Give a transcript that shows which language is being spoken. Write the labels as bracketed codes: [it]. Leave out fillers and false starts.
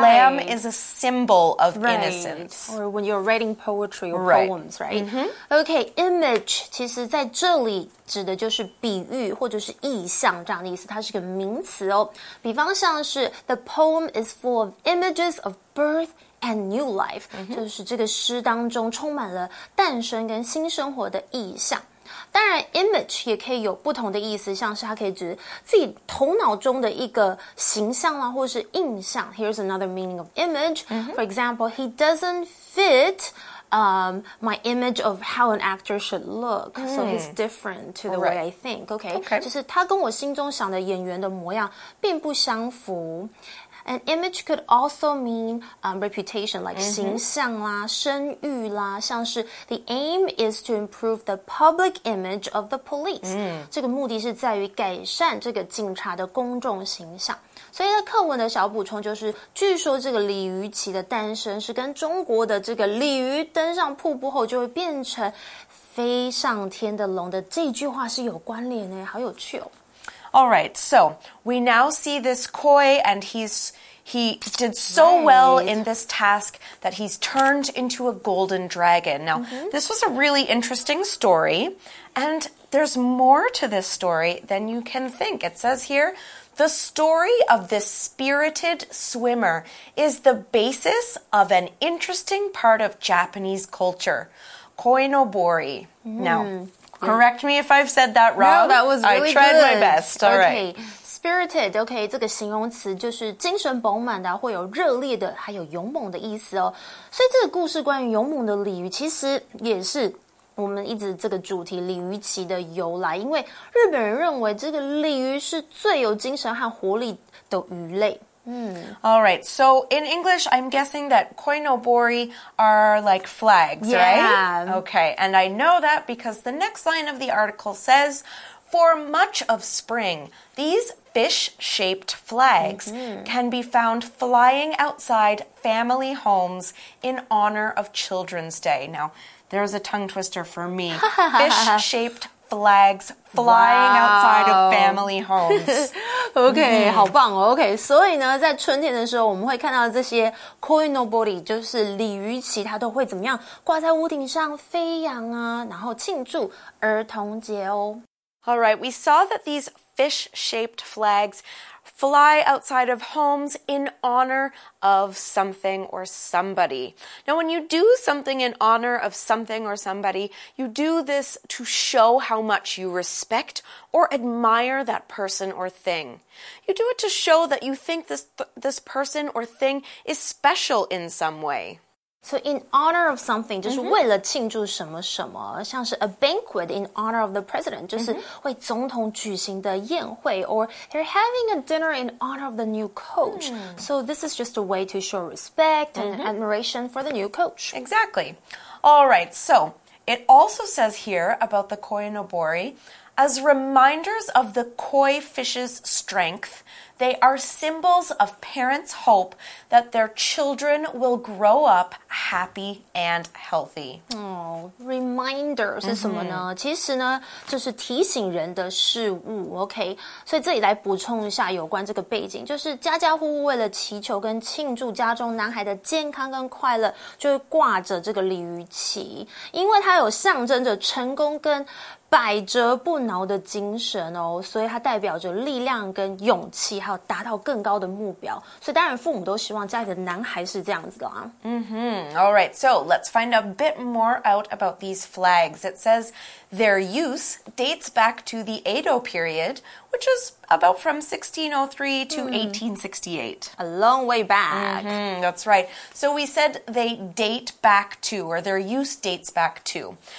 [en] lamb is a symbol of、right. innocence. Or when you're writing poetry or、 right. poems, right?、 Mm-hmm. [zh] Okay, image 其实在这里指的就是比喻或者是意象这样的意思。它是个名词哦。比方像是 [en] the poem is full of images of birth and new life.、 Mm-hmm. [zh] 就是这个诗当中充满了诞生跟新生活的意象。当然 image 也可以有不同的意思，像是它可以指自己头脑中的一个形象啊，或是印象。 [en] Here's another meaning of image、 mm-hmm. For example, he doesn't fit、my image of how an actor should look、 mm. So he's different to the、 right. way I think okay? OK, [zh] 就是他跟我心中想的演员的模样并不相符。 [en] An image could also mean、reputation, like、mm-hmm. [zh] 形象啦、声誉啦，像是 [en] the aim is to improve the public image of the police.、 Mm. [zh] 这个目的是在于改善这个警察的公众形象。所以在课文的小补充就是，据说这个鲤鱼旗的诞生是跟中国的这个鲤鱼登上瀑布后就会变成飞上天的龙的这句话是有关联诶，好有趣哦。 [en] All right, so we now see this koi and he did so、 right. well in this task that he's turned into a golden dragon. Now,、 mm-hmm. this was a really interesting story and there's more to this story than you can think. It says here, The story of this spirited swimmer is the basis of an interesting part of Japanese culture, koinobori. Now, correct me if I've said that wrong. No, that was really good. I tried good. My best. All okay. right. [zh] Spirited, OK, 这个形容词就是精神饱满的、啊、会有热烈的还有勇猛的意思哦。所以这个故事关于勇猛的鲤鱼其实也是我们一直这个主题鲤鱼旗的由来，因为日本人认为这个鲤鱼是最有精神和活力的鱼类。 [en] All right, so in English, I'm guessing that koinobori are like flags, yeah. right? Okay, and I know that because the next line of the article says, for much of spring, these fish-shaped flags can be found flying outside family homes in honor of Children's Day. Now, there's a tongue twister for me. Fish-shaped flags flying outside of family homes. OK,、mm-hmm. [zh] 好棒哦。OK, 所以呢在春天的时候我们会看到这些 koinobori, 就是鲤鱼旗它都会怎么样挂在屋顶上飞扬啊然后庆祝儿童节哦。 [en] All right, we saw that these fish-shaped flags fly outside of homes in honor of something or somebody. Now, when you do something in honor of something or somebody, you do this to show how much you respect or admire that person or thing. You do it to show that you think this person or thing is special in some way. So in honor of something, [zh] 就是为了庆祝什么什么、mm-hmm. [en] 像是 a banquet in honor of the president, [zh] 就是为总统举行的宴会 [en] or they're having a dinner in honor of the new coach.、Mm. So this is just a way to show respect and admiration for the new coach. Exactly. All right, so it also says here about the koinobori, as reminders of the koi fish's strength,They are symbols of parents' hope that their children will grow up happy and healthy. [zh] Oh, reminder 是什么呢、mm-hmm. 其实呢就是提醒人的事物 OK 所以这里来补充一下有关这个背景就是家家户户为了祈求跟庆祝家中男孩的健康跟快乐就会挂着这个鲤鱼旗因为它有象征着成功跟百折不挠的精神哦所以它代表着力量跟勇气还有达到更高的目标所以当然父母都希望家里的男孩是这样子的啊 [en] Mm-hmm. All right, so let's find a bit more out about these flags. It says their use dates back to the Edo period, which is about from 1603 to 1868. A long way back. Mm-hmm. That's right. So we said they date back to, or their use dates back to.